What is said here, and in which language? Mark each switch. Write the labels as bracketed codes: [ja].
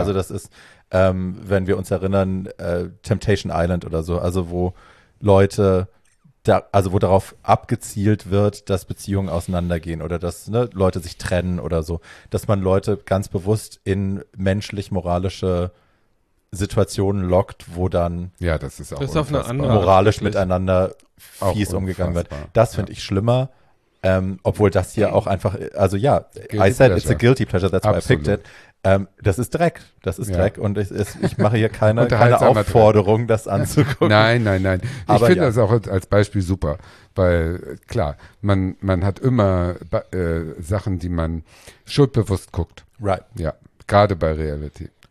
[de] Also das ist, wenn wir uns erinnern, Temptation Island oder so, also wo Leute, da, also wo darauf abgezielt wird, dass Beziehungen auseinandergehen oder dass ne, Leute sich trennen oder so, dass man Leute ganz bewusst in menschlich-moralische Situationen lockt, wo dann ja, das ist auch das ist auf eine andere moralisch Art, miteinander fies auch umgegangen wird. Das finde ich schlimmer. Obwohl das hier auch einfach, also ja, [en] guilty I said pleasure. It's a guilty pleasure, that's why I picked it. [de] Das ist Dreck, das ist ja. Dreck und ich mache hier keine Aufforderung, Dreck. Das anzugucken. Nein. Aber ich finde das auch als Beispiel super, weil klar, man hat immer Sachen, die man schuldbewusst guckt. [en] Right. [de] Ja, gerade bei Reality.